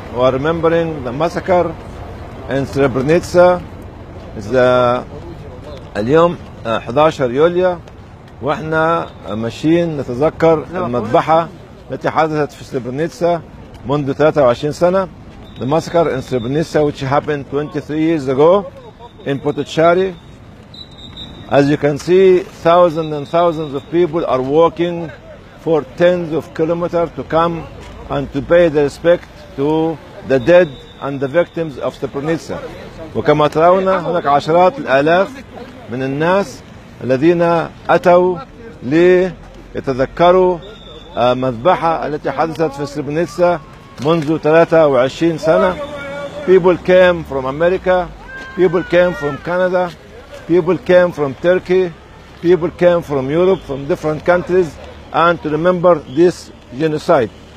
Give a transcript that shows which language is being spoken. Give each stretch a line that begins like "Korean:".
English: We are remembering the massacre in Srebrenica.
Arabic: اليوم 11 يوليو واحنا ماشيين نتذكر المذبحة التي حدثت في سربنيتسا منذ 23 سنة.
English: The massacre in Srebrenica which happened 23 years ago in Potoczari. As you can see, thousands and thousands of people are walking for tens of kilometers to come and to pay their respect to the dead and the victims of Srebrenica.
Arabic: وكما ترون هناك عشرات الآلاف من الناس الذين أتوا ليتذكروا مذبحة التي حدثت في Srebrenica منذ 23 سنة.
English: People came from America, people came from Canada, people came from Turkey, people came from Europe, from different countries, and to remember this genocide.